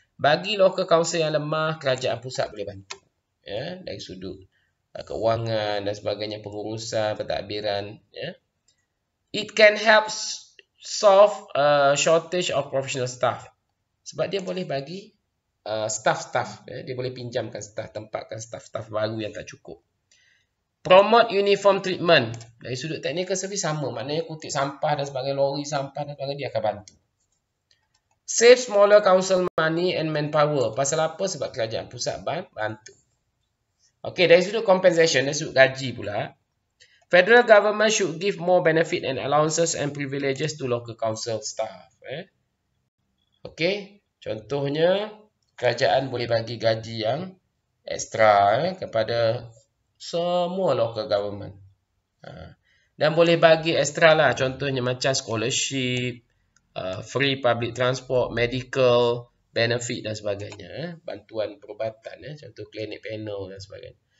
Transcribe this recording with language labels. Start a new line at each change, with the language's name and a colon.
Malay: Bagi local council yang lemah, kerajaan pusat boleh bantu. Ya, dari sudut kewangan dan sebagainya, pengurusan, pentadbiran. Ya.
English: It can help solve a shortage of professional staff.
Malay: Sebab dia boleh bagi staff-staff. Ya. Dia boleh pinjamkan staff, tempatkan staff-staff baru yang tak cukup.
English: Promote uniform treatment.
Malay: Dari sudut technical service sama. Maknanya kutip sampah dan sebagainya, lori sampah dan sebagainya, dia akan bantu.
English: Save smaller council money and manpower.
Malay: Pasal apa? Sebab kerajaan pusat bantu. Okay, dari sudut compensation, dari sudut gaji pula.
English: Federal government should give more benefit and allowances and privileges to local council staff.
Malay: Okay, contohnya kerajaan boleh bagi gaji yang extra kepada semua local government. Dan boleh bagi extra lah, contohnya macam scholarship, free public transport, medical benefit dan sebagainya, bantuan perubatan, contoh klinik panel dan sebagainya.